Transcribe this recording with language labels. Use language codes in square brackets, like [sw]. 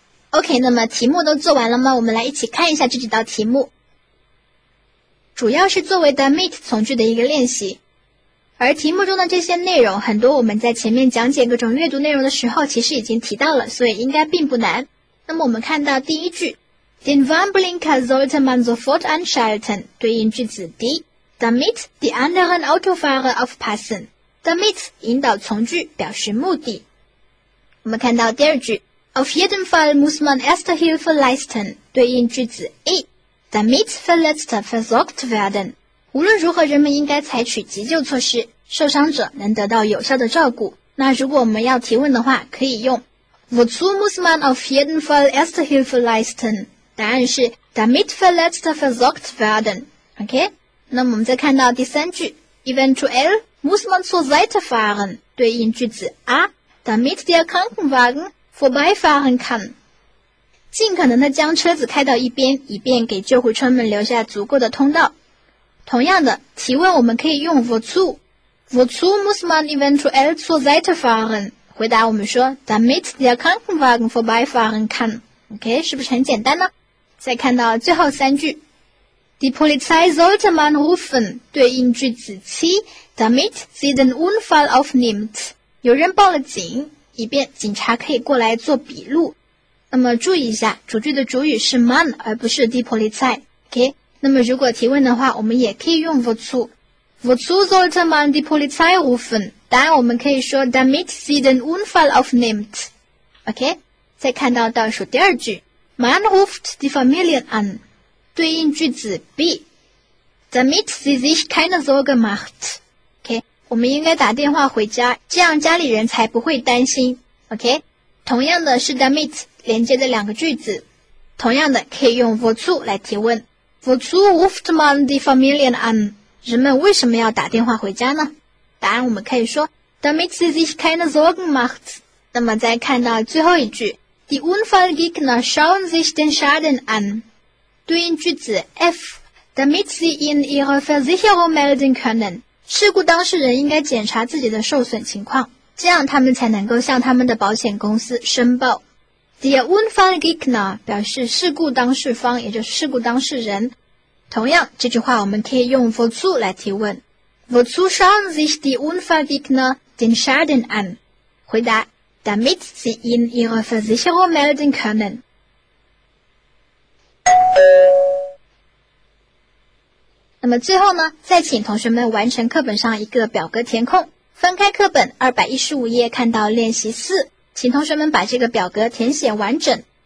[zh] OK, 那么题目都做完了吗？我们来一起看一下这几道题目。主要是作为 damit 从句的一个练习。而题目中的这些内容很多我们在前面讲解各种阅读内容的时候其实已经提到了，所以应该并不难。那么我们看到第一句 [de] Den Warnblinker sollte man sofort anschalten, [zh] 对应句子 D, [de] damit die anderen Autofahrer aufpassen. [zh] damit 引导从句表示目的。我们看到第二句 [de] Auf jeden Fall muss man erste Hilfe leisten, [zh] 对应句子 A, [de] damit Verletzte versorgt werden. [zh] 无论如何人们应该采取急救措施，受伤者能得到有效的照顾。那如果我们要提问的话，可以用 [de] Wozu muss man auf jeden Fall erste Hilfe leisten? [zh] 答案是 [de] damit Verletzte versorgt werden. OK? [zh] 那么我们再看到第三句 [de] Eventuell muss man zur Seite fahren, [zh] 对应句子 A, [de] damit der Krankenwagen,vorbeifahren kann. [zh] 尽可能地将车子开到一边，以便给救护车们留下足够的通道。同样的，提问我们可以用 wozu. [de] Wozu muss man eventuell zur Seite fahren? [zh] 回答我们说 [de] damit der Krankenwagen vorbeifahren kann. [zh] OK, 是不是很简单呢？再看到最后三句。 [de] Die Polizei sollte man rufen, [zh] 对应句子 7, [de] damit sie den Unfall aufnimmt. [zh] 有人报了警，以便警察可以过来做笔录。那么注意一下，主句的主语是 man 而不是 die Polizei。 OK， 那么如果提问的话，我们也可以用 wozu。 [de] Wozu sollte man die Polizei rufen？ [zh] 答案我们可以说 [de] damit sie den Unfall aufnimmt。 [zh] OK， 再看到倒数第二句 ， [de] man ruft die Familie an， [zh] 对应句子 b， [de] damit sie sich keine Sorge macht。 [zh] 我们应该打电话回家，这样家里人才不会担心。 OK， 同样的是 damit 连接的两个句子，同样的可以用 wozu 来提问。 [de] Wozu ruft man die Familie an？ [zh] 人们为什么要打电话回家呢？答案我们可以说 [de] damit sie sich keine Sorgen macht。 [zh] 那么再看到最后一句 ， [de] die Unfallgegner schauen sich den Schaden an， [zh] 对应句子 f， [de] damit sie in ihre Versicherung melden können。 [zh] 事故当事人应该检查自己的受损情况，这样他们才能够向他们的保险公司申报。 Der Unfallgegner 表示事故当事方，也就是事故当事人。同样，这句话我们可以用 wozu 来提问。 [de] Wozu schauen sich die Unfallgegner den Schaden an? [zh] 回答 , [de] damit sie in ihre Versicherung melden können. [zh] 那么最后呢，再请同学们完成课本上一个表格填空，翻开课本215页，看到练习4，请同学们把这个表格填写完整。